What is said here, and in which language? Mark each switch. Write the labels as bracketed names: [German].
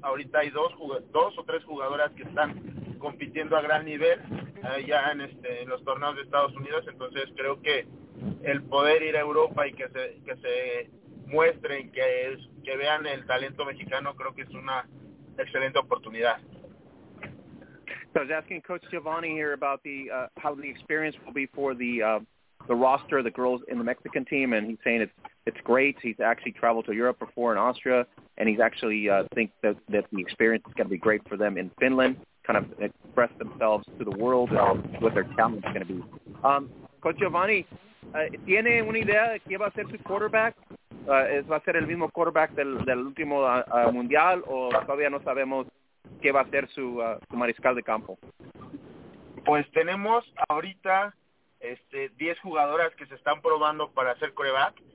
[Spanish] Ahorita hay dos o tres jugadoras que están compitiendo a gran nivel ya en los torneos de Estados Unidos. Entonces creo que el poder ir a Europa y que se muestren, que vean el talento mexicano, creo que es una excelente oportunidad. [English] So I was asking Coach Giovanni here about how the experience will be for the roster of the girls in the Mexican team, and he's saying it's great. He's actually traveled to Europe before in Austria, and he's actually think that the experience is going to be great for them in Finland, kind of express themselves to the world what their talent is going to be. [Spanish] Coach Giovanni, ¿tiene una idea de quién va a ser su quarterback? ¿Va a ser el mismo quarterback del último mundial o todavía no sabemos qué va a ser su mariscal de campo? Pues tenemos ahorita 10 jugadoras que se están probando para hacer quarterback.